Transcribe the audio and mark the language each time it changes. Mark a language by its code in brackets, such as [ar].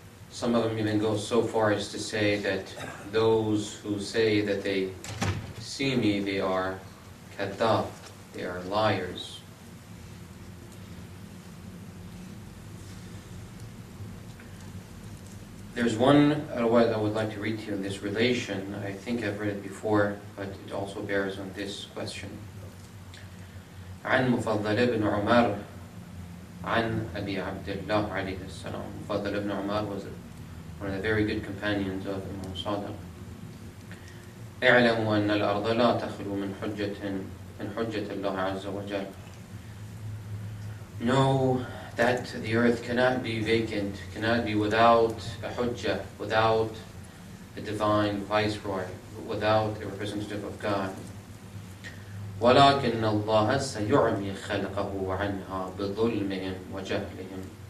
[en] Some of them even go so far as to say that those who say that they see me, they are kadhab, they are liars. There's one riwayat I would like to read to you in this relation. I think I've read it before, but it also bears on this question. [ar] عن مفضل بن عمر عن أبي عبد الله عليه السلام. [en] مفضل بن عمر was one of the very good companions of Imam Sadiq. [ar] اعلموا أن الأرض لا تخلو من حجة الله عز وجل. [en] Know that the earth cannot be vacant, cannot be without a hujjah, without a divine viceroy, without a representative of God. [ar] وَلَكِنَّ اللَّهَ سَيُعْمِي خَلْقَهُ عَنْهَا بِظُلْمِهِمْ وَجَهْلِهِمْ.